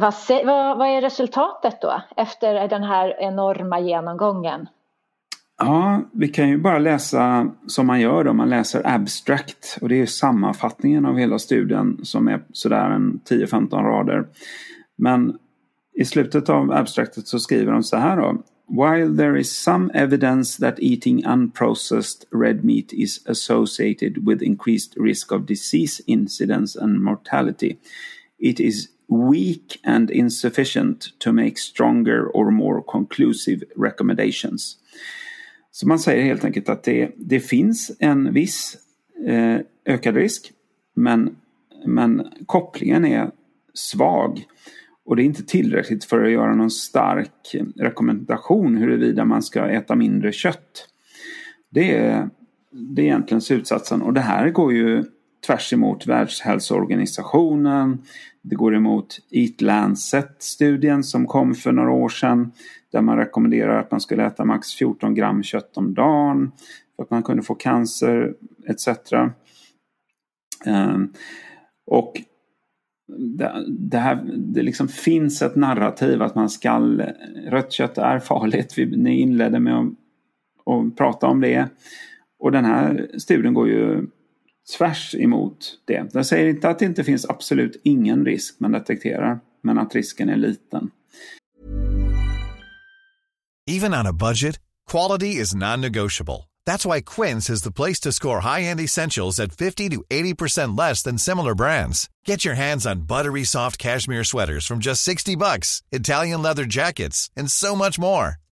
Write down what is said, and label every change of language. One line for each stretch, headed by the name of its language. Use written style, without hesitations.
Swedish: Vad är resultatet då efter den här enorma genomgången? Ja, vi kan ju bara läsa som man gör då. Man läser abstract, och det är ju sammanfattningen av hela studien som är sådär en 10-15 rader. Men i slutet av abstractet så skriver de så här då.
English: While there is some evidence that eating unprocessed red meat is associated with increased risk of disease incidence and mortality, it is weak and insufficient to make stronger or more conclusive recommendations.
Swedish: Så man säger helt enkelt att det finns en viss ökad risk, men kopplingen är svag. Och det är inte tillräckligt för att göra någon stark rekommendation huruvida man ska äta mindre kött. Det är egentligen slutsatsen. Och det här går ju tvärs emot Världshälsoorganisationen. Det går emot Eat Lancet-studien som kom för några år sedan. Där man rekommenderar att man skulle äta max 14 gram kött om dagen. För att man kunde få cancer, etc. Och det liksom finns ett narrativ att man ska, rött kött är farligt. Ni inledde med att prata om det, och den här studien går ju tvärs emot det. Den säger inte att det inte finns absolut ingen risk, man detekterar, men att risken är liten.
English: Even on a budget, quality is non-negotiable. That's why Quince is the place to score high-end essentials at 50 to 80% less than similar brands. Get your hands on buttery soft cashmere sweaters from just $60, Italian leather jackets, and so much more.